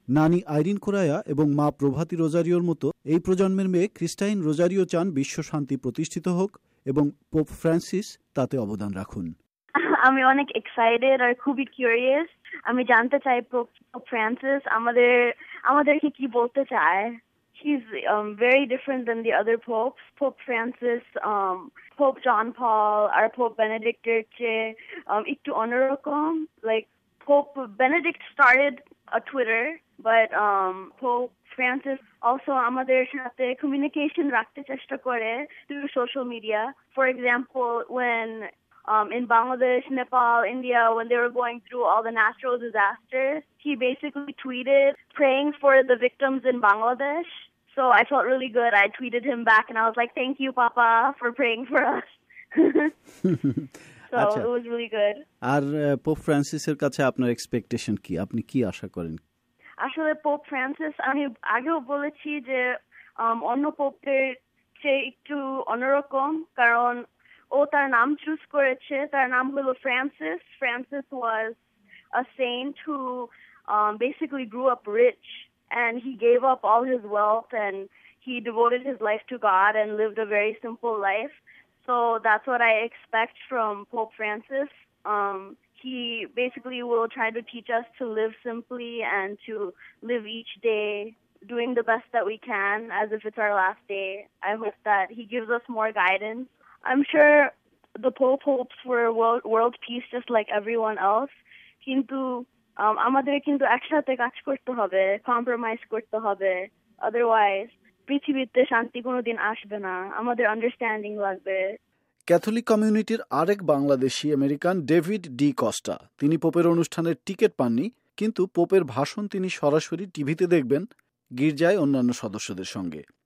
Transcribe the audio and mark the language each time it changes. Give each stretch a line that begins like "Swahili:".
Bangla: নানি আইরিন কোরায়া এবং মা প্রভাতী রোজারিওর মতো এই প্রজন্মের মেয়ে ক্রিস্টাইন রোজারিও চান বিশ্ব শান্তি প্রতিষ্ঠিত হোক এবং পোপ ফ্রান্সিস তাতে অবদান রাখুন। আমি অনেক এক্সাইটেড আর খুবই কিউরিয়াস, আমি জানতে চাই পোপ ফ্রান্সিস আমাদেরকে কি বলতে চায়।
English: He's very different than the other popes. Pope Francis, Pope John Paul, or Pope Benedict Erche,
Bangla: ikto onorokom.
English: Like, Pope Benedict started a Twitter, but Pope Francis also
Bangla: amader sathe communication rakhte chesta kore
English: through social media. For example, when in Bangladesh, Nepal, India, when they were going through all the natural disasters, he basically tweeted praying for the victims in Bangladesh. So I felt really good. I tweeted him back and I was like, thank you, Papa, for praying for us. So Achha. It was really good.
Bangla: আর pope ফ্রান্সিসের কাছে আপনার expectation কি, আপনি কি আশা করেন? আসলে pope Francis আমি আগেও বলেছি যে অন্য পোপের চেয়ে একটু অন্যরকম, কারণ ও তার নাম চুজ করেছে, তার নাম হলো Francis.
English: Francis was a saint who basically grow up rich, and he gave up all his wealth and he devoted his life to God and lived a very simple life. So that's what I expect from Pope Francis. He basically will try to teach us to live simply and to live each day doing the best that we can as if it's our last day. I hope that he gives us more guidance. I'm sure the Pope hopes for world peace just like everyone else.
Bangla: Kintu আমাদের কিন্তু একসাথে কাজ করতে হবে, compromise করতে হবে, otherwise পৃথিবীতে শান্তি কোনোদিন আসবে না, আমাদের আন্ডারস্ট্যান্ডিং লাগবে। ক্যাথলিক কমিউনিটির আরেক বাংলাদেশি আমেরিকান ডেভিড ডি কস্টা, তিনি পোপের অনুষ্ঠানের টিকিট পাননি, কিন্তু পোপের ভাষণ তিনি সরাসরি টিভিতে দেখবেন গির্জায় অন্যান্য সদস্যদের সঙ্গে।